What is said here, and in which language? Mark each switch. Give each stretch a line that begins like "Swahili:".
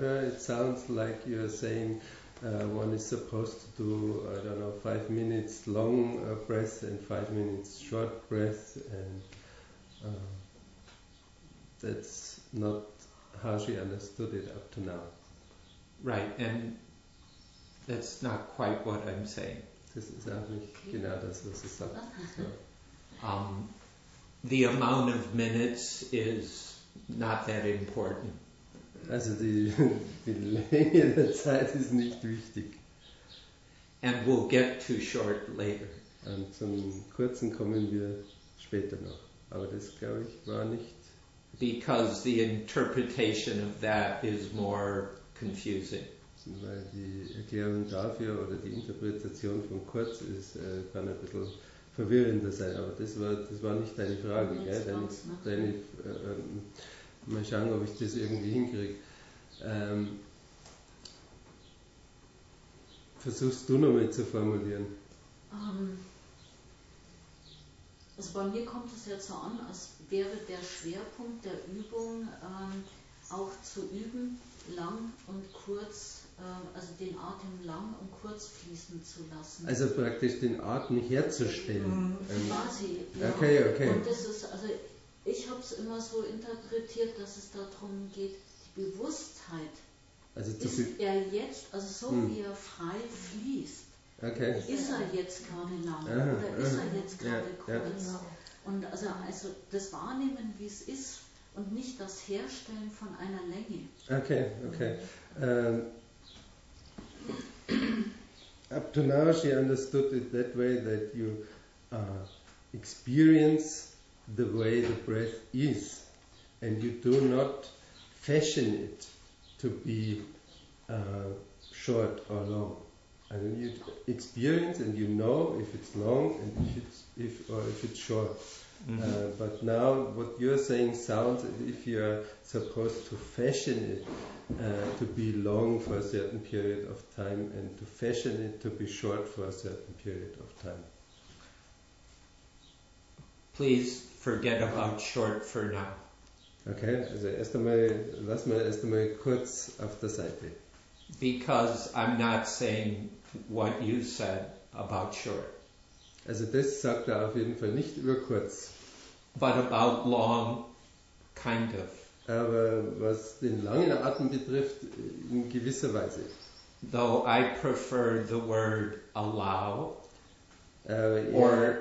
English: For her it sounds like you're saying one is supposed to do, I don't know, 5 minutes long breath and 5 minutes short breath, and that's not how she understood it up to now. Right, and that's not quite what I'm saying.
German: Das ist auch nicht genau das, was ich sage.
English: The amount of minutes is not that important.
German: Also die Länge der Zeit ist nicht wichtig.
English: And we'll get to short later.
German: Und zum Kurzen kommen wir später noch. Aber das, glaube ich, war nicht...
English: Because the interpretation of that is more confusing.
German: Weil die Erklärung dafür oder die Interpretation von kurz ist, kann ein bisschen verwirrender sein. Aber das war nicht deine Frage, gell? Mal schauen, ob ich das irgendwie hinkriege. Versuchst du nochmal zu formulieren? Also bei mir kommt es jetzt so an, als wäre der Schwerpunkt der Übung auch zu üben, lang und kurz, also den Atem lang und kurz fließen zu lassen. Also praktisch den Atem herzustellen. Quasi. Ja. Okay, okay. Und das ist also. Ich habe es immer so interpretiert, dass es darum geht, die Bewusstheit, also ist er jetzt, also so wie er frei fließt, okay. Ist er jetzt gerade lang oder ist er jetzt gerade kurz. Ja. Und also das Wahrnehmen, wie es ist und nicht das Herstellen von einer Länge. Okay, okay.
English: Up to now she understood it that way, that you experience the way the breath is, and you do not fashion it to be short or long. I mean, you experience and you know if it's long and if it's short. Mm-hmm. But now what you're saying sounds as if you're supposed to fashion it to be long for a certain period of time and to fashion it to be short for a certain period of time. Please forget about short for now.
German: Okay, also erst einmal, lass mal erst einmal kurz auf der Seite.
English: Because I'm not saying what you said about short.
German: Also das sagt er auf jeden Fall nicht über kurz.
English: But about long, kind of.
German: Aber was den langen Atem betrifft, in gewisser Weise.
English: Though I prefer the word allow or